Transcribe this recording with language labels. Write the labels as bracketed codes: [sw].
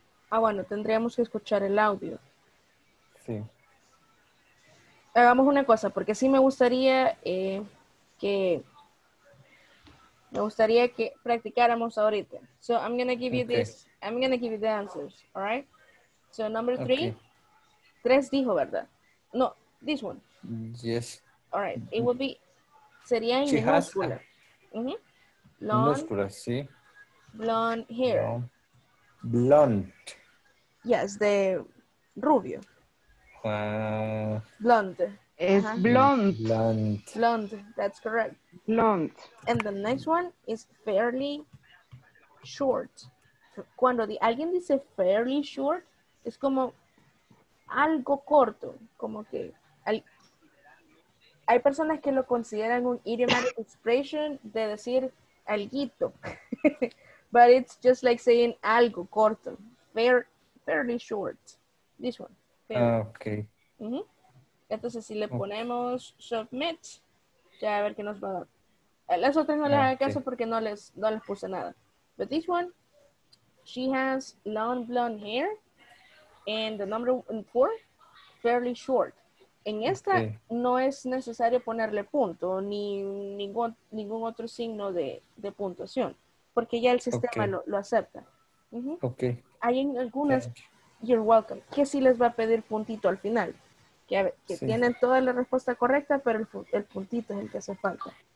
[es] Ah, bueno, tendríamos que escuchar el audio. Sí. Hagamos una cosa, porque sí me gustaría que practicáramos ahorita. [en] So I'm gonna give you this. I'm gonna give you the answers, all right? So number three, okay. [es] Tres dijo, ¿verdad? [en] No, this one. Yes. All right, it would be, [es] sería en minúscula. Blonde. Minúscula, sí. [en] Blonde hair. Blonde. Yes, [es] de rubio. [en] Blonde. [es] Es blonde. [en] Blonde. Blonde, that's correct. Blonde. And the next one is fairly short. [es] Cuando alguien dice fairly short, es como algo corto, como que hay personas que lo consideran un idiomatic expression de decir alguito. [en] But it's just like saying [es] algo corto. [en] Fairly short. This one. Fairly. Ah, okay. [es] Uh-huh. Entonces, si le ponemos submit, ya a ver qué nos va a dar. Las otras no les haga caso porque no les puse nada. [en] But this one, she has long blonde hair. And the number four, fairly short. [es] En esta no es necesario ponerle punto ni ningún otro signo de puntuación, porque ya el sistema lo acepta. [en] Uh-huh. Okay. [es] Hay en algunas, [en] you're welcome, [es] que sí les va a pedir puntito al final, que tienen toda la respuesta correcta, pero el puntito es el que hace falta.